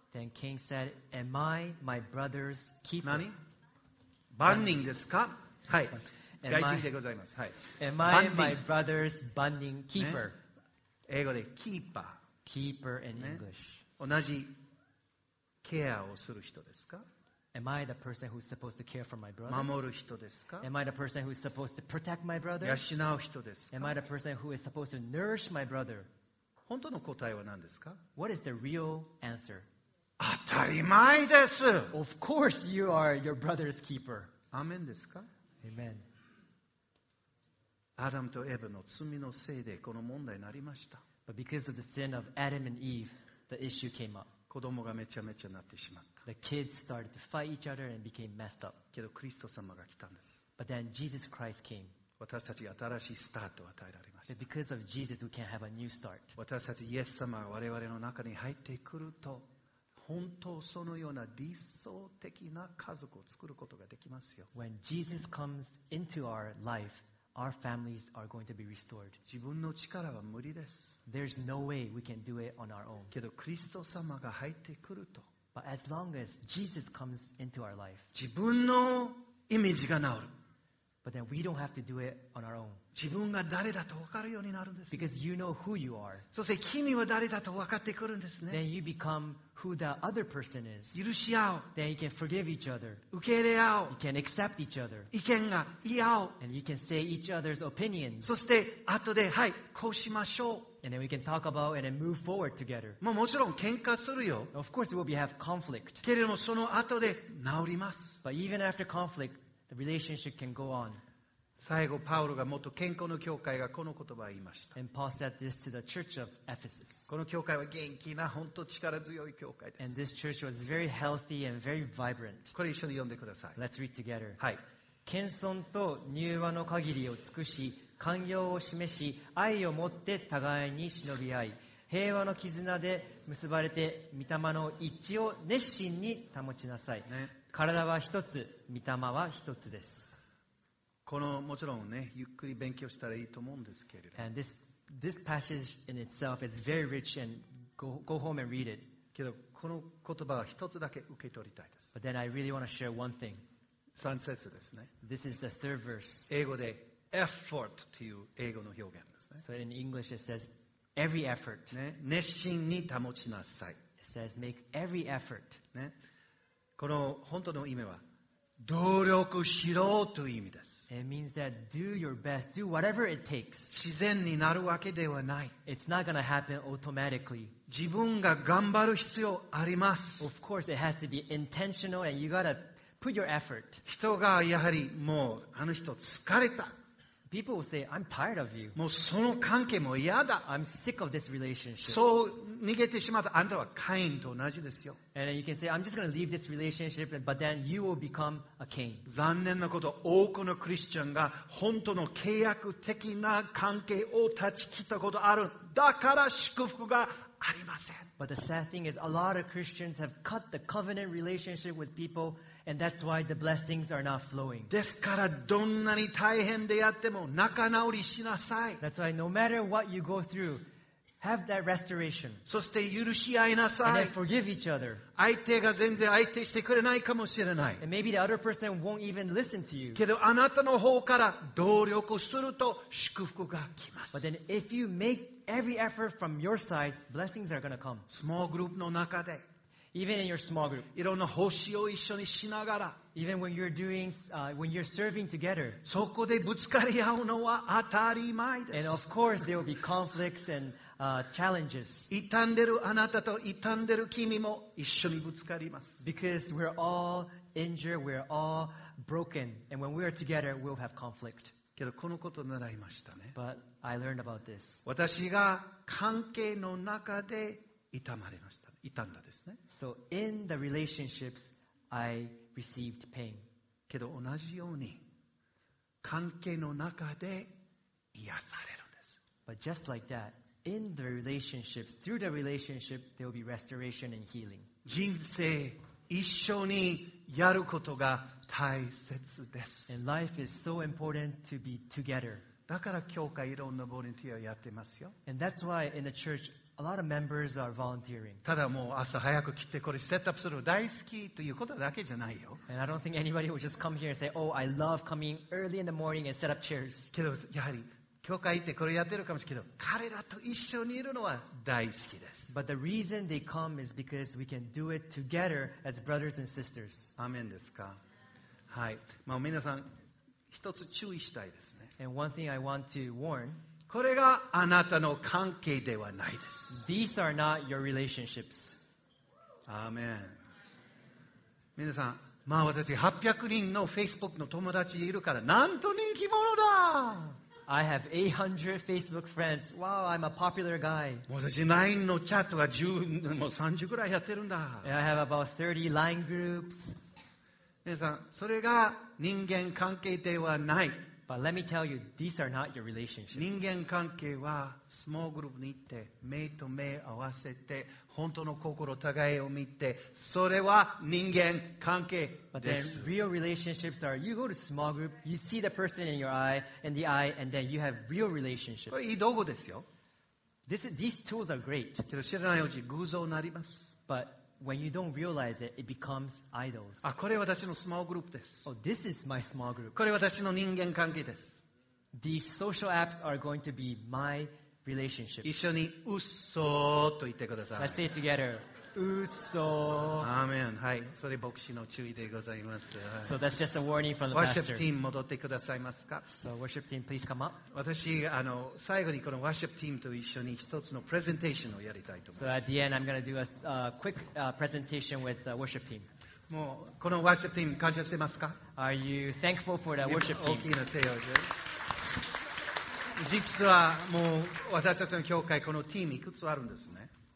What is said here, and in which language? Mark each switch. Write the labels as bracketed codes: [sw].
[en] Then Cain said, Am I my brother's keeper? [ja] 何?番人ですか?はい。外人でございます。はい。 [en] Am I my brother's banding keeper?、 [ja] ね、英語でキーパー。 [en] Keeper in English. [ja] 同じケアをする人ですか？ [en] Am I the person who's supposed to care for my brother? [ja] 守る人ですか? [en] Am I the person who's supposed to protect my brother? [ja] 養う人ですか? [en] Am I the person who is supposed to nourish my brother? [ja] 本当の答えは何ですか? [en] What is the real answer? [ja] 当たり前です! [en] Of course you are your brother's keeper. [ja] アメンですか? [en] Amen. [ja] アダムとエブの罪のせいでこの問題になりました。 [en] But because of the sin of Adam and Eve, the issue came up. [ja] 子供がめちゃめちゃなってしまった。 [en] The kids started to fight each other and became messed up. [ja] けどクリスト様が来たんです。 [en] But then Jesus Christ came. [ja] 私たち新しいスタートを与えられました。 [en] But because of Jesus, we can have a new start. [ja] 私たちイエス様が我々の中に入ってくると、本当そのような理想的な家族を作ることができますよ。 [en] When Jesus comes into our life, our families are going to be restored. [ja] 自分の力は無理です。 [en] There's no way we can do it on our own. [ja] けどクリスト様が入ってくると、 [en] But as long as Jesus comes into our life, [ja] 自分のイメージが治る。 [en] But then we don't have to do it on our own. [ja] 自分が誰だと分かるようになるんです、ね。 [en] Because you know who you are. [ja] そして君は誰だと分かってくるんですね。 [en] Then you become who the other person is. [ja] 許し合う。 [en] Then you can forgive each other. [ja] 受け入れ合う。 [en] You can accept each other. [ja] 意見が言い合う。 [en] And you can say each other's opinions. [ja] そして後で、はい、こうしましょう。 [en] And then we can talk about and then move forward together. [ja] まあもちろん喧嘩するよ。 [en] Of course we'll have conflict. [ja] けれどもその後で治ります。 [en] But even after conflict, the relationship can go on. [ja] 最後パウロが元健康の教会がこの言葉を言いました。 [en] And Paul said this to the church of Ephesus. [ja] この教会は元気な本当力強い教会です。 [en] And this church was very healthy and very vibrant. [ja] これ一緒に読んでください。 [en] Let's read together. [ja] はい。謙遜と柔和の限りを尽くし、寛容を示し、愛を持って互いに忍び合い、平和の絆で結ばれて御霊の一致を熱心に保ちなさい、ね、体は一つ、御霊は一つです。このもちろんね、ゆっくり勉強したらいいと思うんですけれど、 [en] And this passage in itself is very rich and go home and read it. [ja] けどこの言葉は一つだけ受け取りたいです。 [en] But then I really want to share one thing. [ja] 三節ですね。 [en] This is the third verse. [ja] 英語でEffort という英語の表現ですね。 [en] So in English it says every effort. [ja] ね、熱心に保ちなさい。 [en] It says make every effort. [ja] ね、この本当の意味は努力しろという意味です。 [en] It means that do your best, do whatever it takes. [ja] 自然になるわけではない。 [en] It's not going to happen automatically. [ja] 自分が頑張る必要あります。 [en] Of course, it has to be intentional and you got to put your effort. [ja] 人がやはりもうあの人疲れた。 [en] People will say, I'm tired of you. [ja] もうその関係も嫌だ。 [en] I'm sick of this relationship. [ja] そう逃げてしまった。あんたはカインと同じですよ。 [en] And then you can say, I'm just going to leave this relationship, but then you will become a Cain. [ja] 残念なこと、多くのクリスチャンが本当の契約的な関係を断ち切ったことある。だから祝福がありません。 [en] But the sad thing is, a lot of Christians have cut the covenant relationship with people. And that's why the blessings are not flowing. [ja] ですからどんなに大変でやっても仲直りしなさい。 [en] That's why no matter what you go through, have that restoration. [ja] そして許し合いなさい。 [en] And then forgive each other. [ja] 相手が全然相手してくれないかもしれない。 [en] And maybe the other person won't even listen to you. [ja] けどあなたの方から努力をすると祝福が来ます。 [en] But then if you make every effort from your side, blessings are going to come. [ja] Small group の中で。 [en] Even in your small group. [ja] いろんな奉仕を一緒にしながら。 [en] Even when you're doing, when you're serving together. [ja] そこでぶつかり合うのは当たり前です。 [en] And of course there will be conflicts and, challenges. [ja] 傷んでるあなたと傷んでる君も一緒にぶつかります。 [en] Because we're all injured, we're all broken. And when we are together, we'll have conflict. [ja] けどこのことを習いましたね。 [en] But I learned about this. [ja] 私が関係の中で痛まれました。痛んだですね。 [en] So in the relationships, I received pain. [ja] けど同じように関係の中で癒されるんです。 [en] But just like that, in the relationships, through the relationship, there will be restoration and healing. [ja] 人生一緒にやることが大切です。 [en] And life is so important to be together. [ja] だから教会いろんなボランティアやってますよ。 [en] And that's why in the church,A lot of members are volunteering. [ja] ただもう朝早く来てこれセットアップする大好きということだけじゃないよ。 [en] And I don't think anybody will just come here and say, oh, I love coming early in the morning and set up chairs. [ja] けどやはり教会ってこれやってるかもしれないけど、彼らと一緒にいるのは大好きです。 [en] But the reason they come is because we can do it together as brothers and sisters. [ja] アメンですか。はい。まあ皆さん一つ注意したいですね。 [en] And one thing I want to warn, [ja] これがあなたの関係ではないです。 [en] These are not your relationships. [ja] アメン。皆さん、まあ私800人の Facebook の友達いるからなんと人気者だ。 [en] I have 800 Facebook friends. Wow, I'm a popular guy. [ja] 私 LINE のチャットが10、もう30くらいやってるんだ。 [en] And I have about 30 LINE groups. [ja] 皆さん、それが人間関係ではない。 [en] But let me tell you, these are not your relationships. [ja] 人間関係はスモールグループに行って、目と目合わせて、本当の心互いを見て、それは人間関係です。 [en] But then real relationships are, you go to small group, you see the person in your eye, in the eye, and then you have real relationships. [ja] これいい道具ですよ。 [en] These tools are great. [ja] けど知らないうち偶像になります。 [en] But when you don't realize it, it becomes idols. [ja] あ、これ私のスモールグループです。 [en] Oh, this is my small group. [ja] これ私の人間関係です。 [en] These social apps are going to be my relationship. [ja] 一緒にうっそーと言ってください。 [en] Let's say it together. [ja] うっそー。アーメン。はい。それ牧師の注意でございます。はい、 [en] so that's just a warning from the pastor. [ja] ワーシップティーン戻ってくださいますか。 [en] So worship team, please come up. [ja] 私最後にこのワーシップティーンと一緒に一つのプレゼンテーションをやりたいと思います。 [en] So at the end, I'm going to do a quick presentation with the worship team. [ja] もうこのワーシップティーン感謝してますか。 [en] Are you thankful for the worship team? [ja] 大きな声を。実はもう私たちの教会このチームいくつあるんですね。